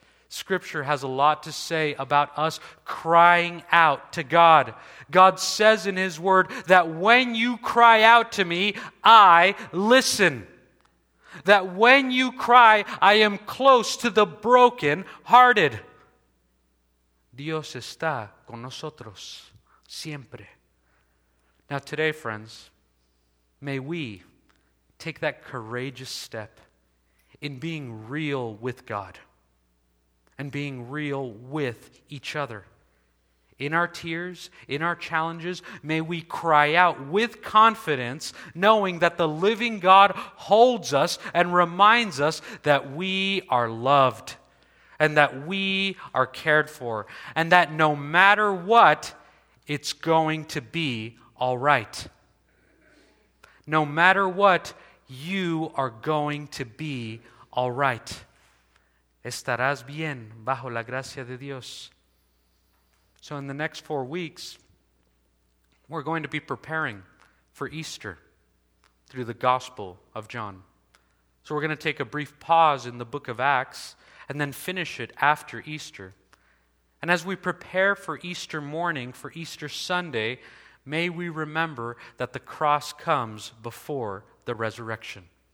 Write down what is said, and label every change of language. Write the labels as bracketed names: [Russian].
[English] Scripture has a lot to say about us crying out to God. God says in His Word that when you cry out to me, I listen. That when you cry, I am close to the brokenhearted. [Spanish] Dios está con nosotros siempre. [English] Now today, friends, may we take that courageous step in being real with God and being real with each other. In our tears, in our challenges, may we cry out with confidence, knowing that the living God holds us and reminds us that we are loved and that we are cared for, and that no matter what, it's going to be all right. No matter what, you are going to be all right. [Spanish] Estarás bien bajo la gracia de Dios. [English] So in the next 4 weeks, we're going to be preparing for Easter through the Gospel of John. So we're going to take a brief pause in the book of Acts and then finish it after Easter. And as we prepare for Easter morning, for Easter Sunday, may we remember that the cross comes before the resurrection.